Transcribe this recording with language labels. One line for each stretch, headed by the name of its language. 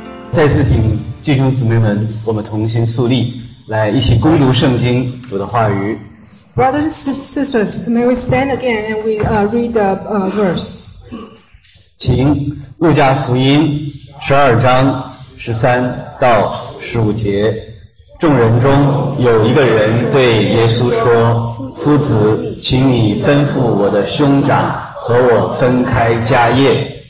Chinese: 再次请弟兄姊妹们，我们同心肃立，来一起攻读圣经主的话语。
English: Brothers and sisters, may we stand again and we read the verse.
Chinese: 请路加福音十二章十三到十五节。众人中有一个人对耶稣说，夫子，请你吩咐我的兄长和我分开家业。